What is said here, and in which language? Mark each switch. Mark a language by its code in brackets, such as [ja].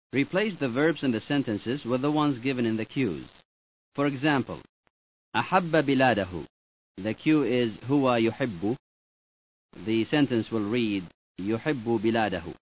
[en] Replace the verbs in the sentences with the ones given in the cues. For example, [ar] أحب بلاده. [en] The cue is [ar] هو يحب. [en] The sentence will read [ar] يحب بلاده.